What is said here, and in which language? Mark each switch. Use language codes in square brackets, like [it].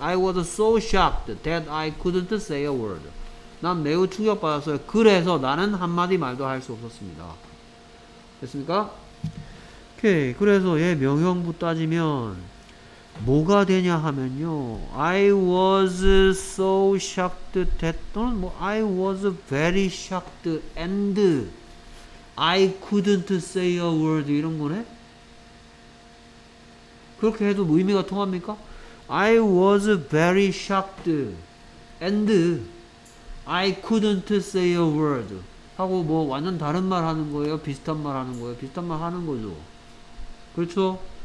[en] I was so shocked that I couldn't say a word. [ko] 난 매우 충격받았어요. 그래서 나는 한마디 말도 할 수 없었습니다. 됐습니까? 오케이. 그래서 얘 명형부 따지면 뭐가 되냐 하면요. [en] I was so shocked that [ko] 또는 뭐 [en] I was very shocked and I couldn't say a word [ko] 이런 거네. 그렇게 해도 의미가 통합니까? [en] I was very shocked and I couldn't say a word [ko] 하고 뭐 완전 다른 말 하는 거예요? 비슷한 말 하는 거예요? 비슷한 말 하는 거죠. 그렇죠?